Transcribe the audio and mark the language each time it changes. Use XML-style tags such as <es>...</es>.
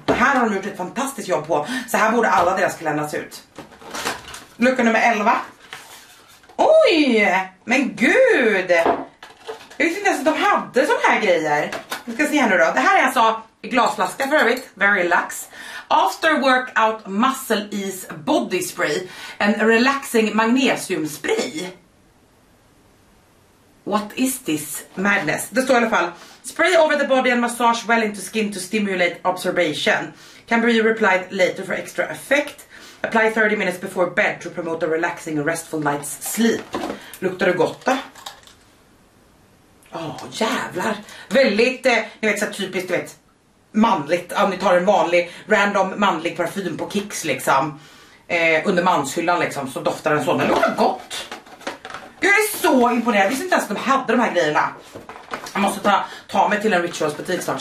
<sv>Det här har de gjort ett fantastiskt jobb på. Så här borde alla deras kalendrar se ut. Lucka nummer 11. Oj! Men gud! Jag visste inte ens att de hade såna här grejer. Vi ska se här nu då. Det här är alltså glasflaska för övrigt.</sv> <en>Very lax. After workout muscle ease body spray. En relaxing magnesium spray. What is this madness?</en> <sv>Det står i alla fall.</sv> <en>Spray over the body and massage well into skin to stimulate absorption. Can be applied later for extra effect. Apply 30 minutes before bed to promote a relaxing and restful night's sleep.</en> <sv>Luktar det gott då? Åh, jävlar. Väldigt, ni vet så typiskt, du vet, manligt. Om ni tar en vanlig, random manlig parfym på Kicks liksom. Under manshyllan liksom, så doftar den så. Men luktar gott. Jag är så imponerad. Jag visste inte ens att de hade de här grejerna. Jag måste ta mig till en Rituals butik snart.</sv>